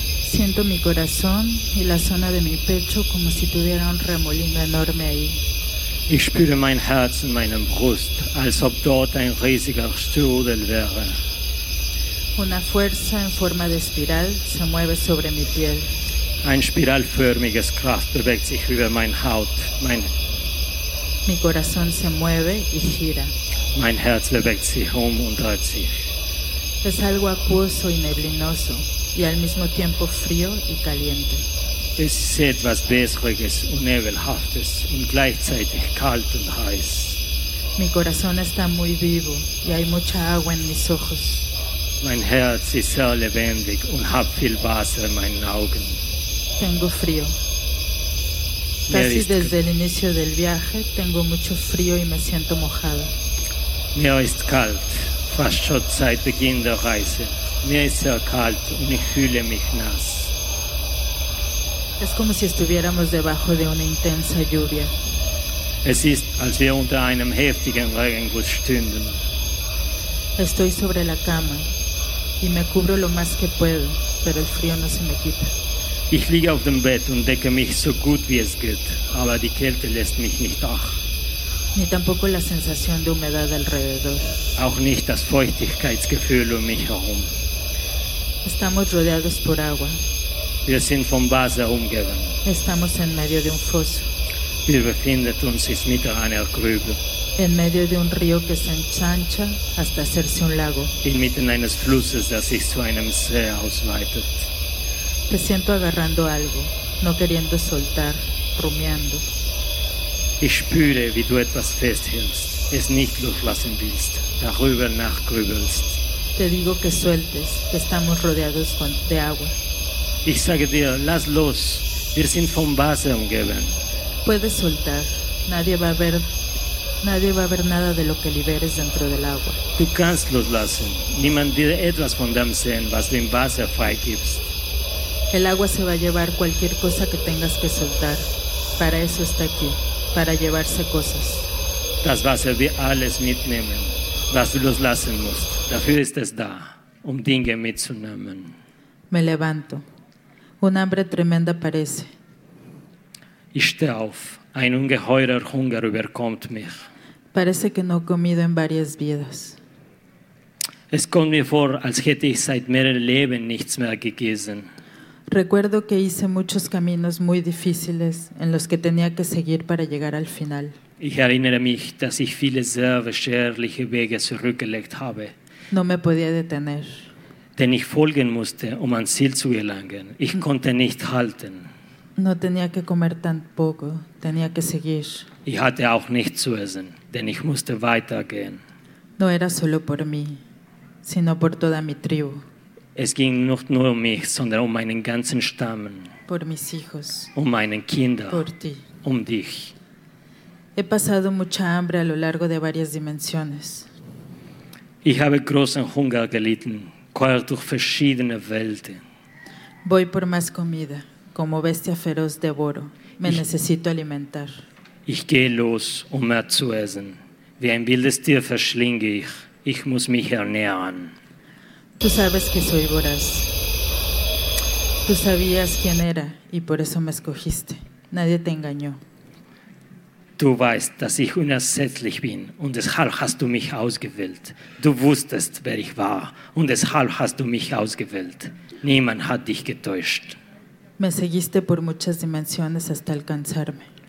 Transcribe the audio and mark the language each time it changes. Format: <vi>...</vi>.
<es>siento mi corazón y la zona de mi pecho como si tuviera un remolino enorme ahí.</es> <de>Ich spüre mein Herz in meiner Brust, als ob dort ein riesiger Strudel wäre.</de> <es>Una fuerza en forma de espiral se mueve sobre mi piel.</es> <de>Ein spiralförmiges Kraft bewegt sich über mein Haut.</de> <es>Mi corazón se mueve y gira.</es> <de>Mein Herz bewegt sich und dreht sich.</de> <es>Es algo acuoso y neblinoso, y al mismo tiempo frío y caliente.</es> <de>Es ist etwas Besseres und Nebelhaftes und gleichzeitig kalt und heiß.</de> <es>Mi corazón está muy vivo y hay mucha agua en mis ojos.</es> <de>Mein Herz ist sehr lebendig und hat viel Wasser in meinen Augen.</de> <es>Tengo frío. Casi desde el inicio del viaje tengo mucho frío y me siento mojada.</es> <de>Mir ist kalt, fast schon seit Beginn der Reise. Mir ist sehr kalt und ich fühle mich nass.</de> <es>Es como si estuviéramos debajo de una intensa lluvia.</es> <de>Es ist, als wir unter einem heftigen Regenguss stünden.</de> <es>Estoy sobre la cama y me cubro lo más que puedo, pero el frío no se me quita.</es> <de>Ich liege auf dem Bett und decke mich so gut wie es geht, aber die Kälte lässt mich nicht ach.</de> <es>Ni tampoco la sensación de humedad alrededor.</es> <de>Auch nicht das Feuchtigkeitsgefühl um mich herum.</de> <es>Estamos rodeados por agua.</es> <de>Wir sind vom Wasser umgeben.</de> <es>Estamos en medio de un foso.</es> <de>Wir befinden uns inmitten einer Grube.</de> <es>En medio de un río que se ensancha hasta hacerse un lago.</es> <de>Inmitten eines Flusses, das sich zu einem See ausweitet.</de> <es>Te siento agarrando algo, no queriendo soltar, rumiando.</es> <de>Ich spüre, wie du etwas festhältst, es nicht loslassen willst, darüber nachgrübelst.</de> <es>Te digo que sueltes, que estamos rodeados de agua.</es> <de>Ich sage dir, lass los, wir sind vom Wasser umgeben.</de> <es>Puedes soltar, nadie va a ver nada de lo que liberes dentro del agua.</es> <de>Du kannst loslassen, niemand wird etwas von dem sehen, was du im Wasser freigibst.</de> <es>El agua se va a llevar cualquier cosa que tengas que soltar, para eso está aquí, para llevarse cosas.</es> <de>Das Wasser wird alles mitnehmen, was du loslassen musst, dafür ist es da, Dinge mitzunehmen.</de> <es>Me levanto. Un hambre tremenda aparece.</es> <de>Ich stehe auf. Ein ungeheurer Hunger überkommt mich.</de> <es>Parece que no he comido en varias vidas.</es> <de>Es kommt mir vor, als hätte ich seit mehreren Leben nichts mehr gegessen.</de> <es>Recuerdo que hice muchos caminos muy difíciles en los que tenía que seguir para llegar al final.</es> <de>Ich erinnere mich, dass ich viele sehr beschwerliche Wege zurückgelegt habe.</de> <es>No me podía detener.</es> <de>Den ich folgen musste, ans Ziel zu gelangen. Ich konnte nicht halten.</de> <es>No tenía que comer tan poco, tenía que seguir.</es> <de>Ich hatte auch nichts zu essen, denn ich musste weitergehen.</de> <es>No era solo por mí, sino por toda mi tribu.</es> <de>Es ging nicht nur um mich, sondern um meinen ganzen Stamm.</de> <es>Por mis hijos.</es> <de>Um meine Kinder.</de> <es>Por ti.</es> <de>Dich.</de> <es>He pasado mucha hambre a lo largo de varias dimensiones.</es> <de>Ich habe großen Hunger gelitten. Quer durch verschiedene Welten.</de> <es>Voy por más comida, como bestia feroz devoro. Necesito alimentar.</es> <de>Ich gehe los, mehr zu essen. Wie ein wildes Tier verschlinge ich. Ich muss mich ernähren.</de> <es>Tú sabes que soy voraz. Tú sabías quién era y por eso me escogiste. Nadie te engañó.</es> <de>Du weißt, dass ich unersetzlich bin und deshalb hast du mich ausgewählt. Du wusstest, wer ich war und deshalb hast du mich ausgewählt. Niemand hat dich getäuscht.</de> <es>Me seguiste por muchas dimensiones hasta alcanzarme.</es>